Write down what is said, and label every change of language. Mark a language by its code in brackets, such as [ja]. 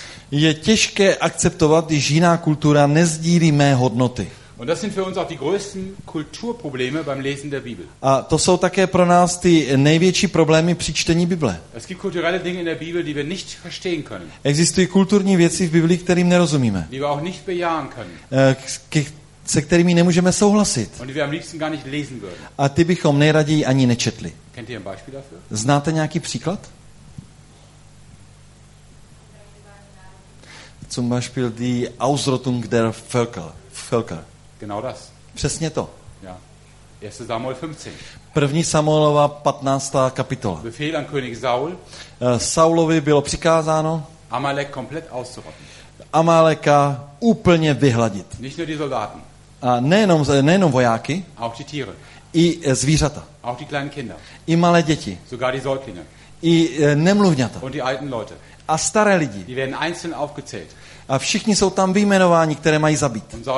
[cs] Je těžké akceptovat, když jiná kultura nezdílí mé hodnoty. [de] Und das sind für uns auch die größten Kulturprobleme beim Lesen der Bibel. [cs] A to jsou také pro nás ty největší problémy při čtení Bible. [de] Es gibt kulturelle Dinge in der Bibel, die wir nicht verstehen können. [cs] Existují kulturní věci v Biblii, kterým nerozumíme. [de] Die wir auch nicht bejahen können. [cs] Se kterými nemůžeme souhlasit. [de] Und die wir am liebsten gar nicht lesen würden. [cs] A ty bychom nejraději ani nečetli. [de] Kennt ihr ein Beispiel dafür? [cs] Znáte nějaký příklad? [de] Zum Beispiel die Ausrottung der Völker. Genau das. [cs] Přesně to. [de] Ja. 1. Samuel 15. [cs] První Samuelova 15. kapitola. [de] Befehl an König Saul. [cs] Saulovi bylo přikázáno [de] Amalek komplett auszurotten. [cs] Amaleka úplně vyhladit. [de] Nicht nur die Soldaten. [cs] A nejenom vojáky. [de] Auch die Tiere. [cs] I zvířata. [de] Auch die kleinen Kinder. [cs] I malé děti. [de] Sogar die Säuglinge. [cs] I nemluvňata. [de] Und die alten Leute. [cs] A staré lidi. [de] Die werden einzeln aufgezählt. [cs] A všichni jsou tam vyjmenováni, které mají zabít.